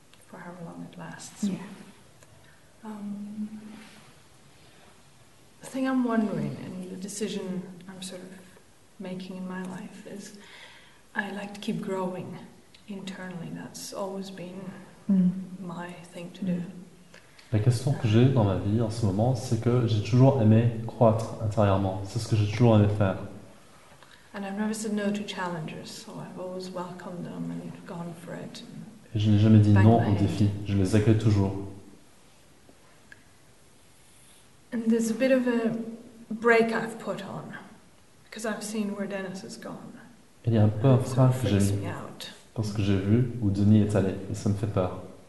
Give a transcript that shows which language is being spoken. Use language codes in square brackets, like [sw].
[en] For however long it lasts. Yeah. The thing I'm wondering, and the decision I'm sort of making in my life, is I like to keep growing internally. That's always been my thing to do. [fr] La question que j'ai dans ma vie en ce moment, c'est que j'ai toujours aimé croître intérieurement. C'est ce que j'ai toujours aimé faire. Et je n'ai jamais dit non aux défis. Je les accueille toujours. [en] And there's a bit of a break I've put on because I've seen where Dennis has gone. [fr] Il y a un peu un frein que j'ai mis parce que j'ai vu où Denis est allé et ça me fait peur.